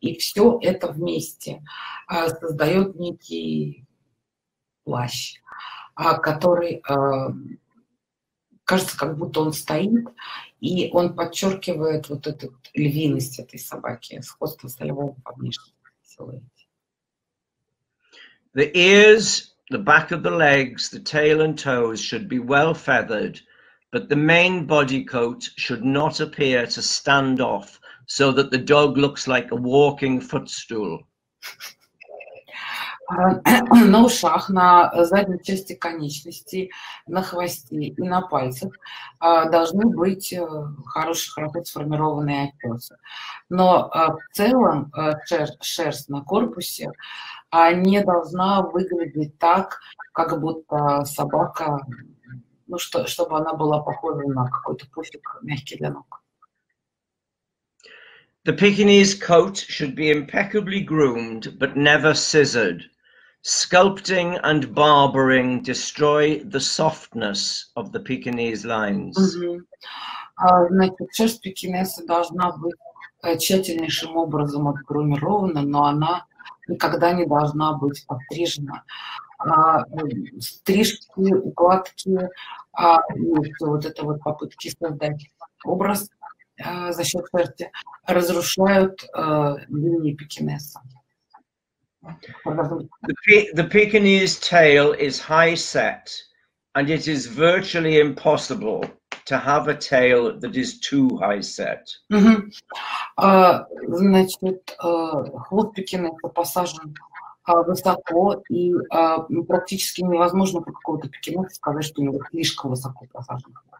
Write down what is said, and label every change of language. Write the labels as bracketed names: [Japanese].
[Russian] И все это вместе создает некий плащ, который кажется, как будто он стоит, и он подчеркивает вот эту вот львиность этой собаки, сходство с львом по внешнему силуэте. [English] The ears, the back of the legs, the tail and toes should be well feathered, but the main body coat should not appear to stand off, so that the dog looks like a walking footstool. [Russian] На ушах, на задней части конечностей, на хвосте и на пальцах должны быть хорошо сформированные отёсы. Но в целом шерсть на корпусе не должна выглядеть так, как будто собака, ну что, чтобы она была похожа на какой-то пуфик мягкий для ног. [English] The Pekinese coat should be impeccably groomed, but never scissored. Sculpting and barbering destroy the softness of the Pekinese lines. [Russian] Значит, шерсть пекинеса должна быть тщательнейшим образом отгрумирована, но она никогда не должна быть подстрижена. Стрижки, укладки, вот это вот попытки создать образ за счет шерсти разрушают линии пекинеса. [English] The Pekinese tail is high set, and it is virtually impossible to have a tail that is too high set. [Russian] Значит, хвост пекинеса посажен высоко, и практически невозможно про какого-то пекинеса сказать, что у него слишком высоко посажен.